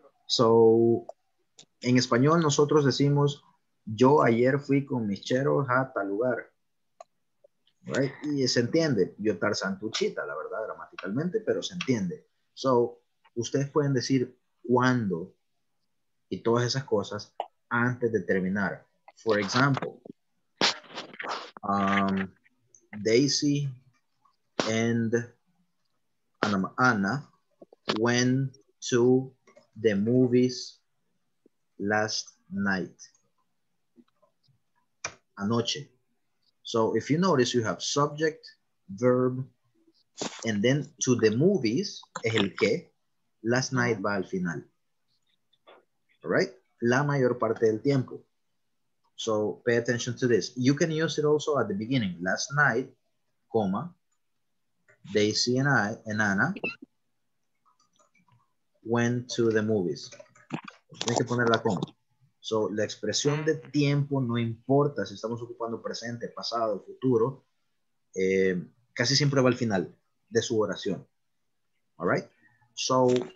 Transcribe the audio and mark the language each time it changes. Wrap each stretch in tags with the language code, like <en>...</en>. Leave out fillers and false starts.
<es>So en español nosotros decimos, yo ayer fui con mis cheros a tal lugar. Right? Y se entiende, yo Tarzán Tuchita, la verdad, gramaticalmente, pero se entiende. So, ustedes pueden decir cuándo y todas esas cosas antes de terminar.</es> <en>For example, Daisy and Anna went to the movies last night. Anoche. So if you notice, you have subject, verb, and then to the movies,</en> <es>es el que,</es> <en>last night</en> <es>va al final.</es> <en>All right?</en> <es>La mayor parte del tiempo.</es> <en>So pay attention to this. You can use it also at the beginning. Last night, comma, Daisy and I and Anna went to the movies.</en> <es>Tienes que poner la coma. So, la expresión de tiempo no importa si estamos ocupando presente, pasado, futuro, casi siempre va al final de su oración. All right? So,</es>